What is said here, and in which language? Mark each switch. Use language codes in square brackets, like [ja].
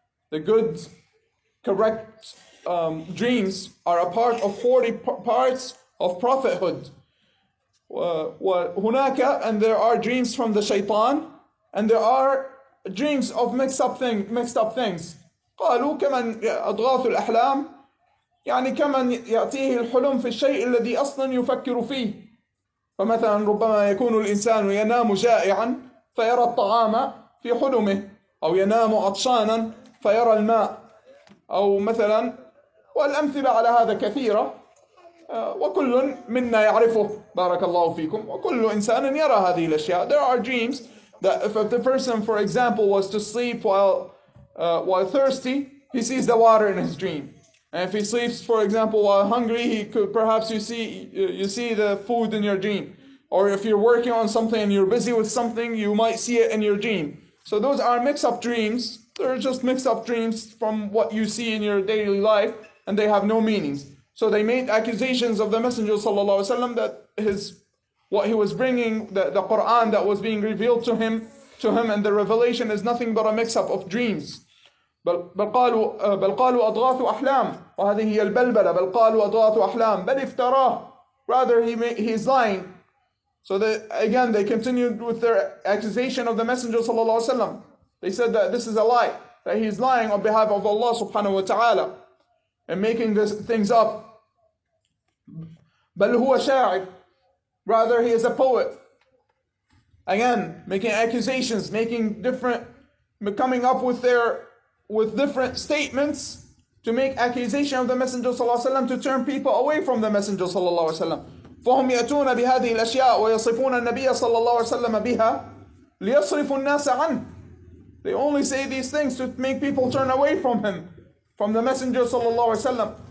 [en] The good, correct dreams are a part of 40 parts of prophethood. [ar] وهناك, [en] and there are dreams from the shaitan, and there are dreams of mixed up things. [ar] قالوا كمن أضغاث الأحلام, يعني كمن يأتيه الحلم في الشيء الذي أصلا يفكر فيه. فمثلا ربما يكون الإنسان ينام جائعا فيرى الطعام في حلمه, أو ينام عطشانا فيرى الماء, أو مثلا, والأمثلة على هذا كثيرة, وكل منا يعرفه بارك الله فيكم, وكل إنسان يرى هذه الأشياء. [en] There are dreams that if the person, for example, was to sleep while thirsty, he sees the water in his dream. And if he sleeps, for example, while hungry, he could perhaps you see the food in your dream. Or if you're working on something and you're busy with something, you might see it in your dream. So those are mix-up dreams. They're just mix-up dreams from what you see in your daily life, and they have no meanings. So they made accusations of the Messenger sallallahu alaihi wasallam that what he was bringing, the Quran that was being revealed to him, and the revelation is nothing but a mix up of dreams. [ar] بل قالوا أضغاث أحلام, وهذه هي البلبلة. بل قالوا أضغاث أحلام بل افتراه, [en] rather he's lying. So they continued with their accusation of the Messenger sallallahu alaihi wasallam. They said that this is a lie, that he's lying on behalf of Allah subhanahu wa ta'ala, and making these things up. [ar] بل هو شاعر, [en] rather he is a poet. Again, making accusations, making different, coming up with different statements to make accusation of the Messenger صلى الله عليه وسلم, to turn people away from the Messenger صلى الله عليه وسلم. [ar] فهم يأتون بهذه الأشياء ويصفون النبي صلى الله عليه وسلم بها ليصرفوا الناس عنه. [en] They only say these things to make people turn away from him, from the Messenger صلى الله عليه وسلم.